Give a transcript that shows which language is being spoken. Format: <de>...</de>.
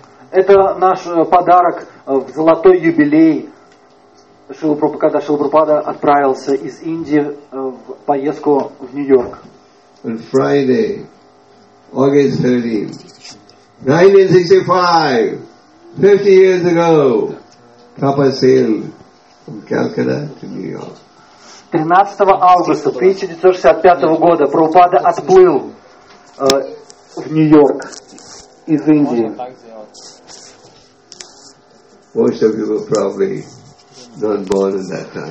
<ru>Это наш подарок в золотой юбилей Шрилы Прабхупады, когда Шрила Прабхупада отправился из Индии в поездку в Нью-Йорк.</ru> <en>On Friday, August 13, 1965, 50 years ago, Prabhupada sailed from Calcutta to New York.</en> <ru>13 августа 1965 года Прабхупада отплыл в Нью-Йорк из Индии.</ru> <en>Most of you were probably not born in that time.</en>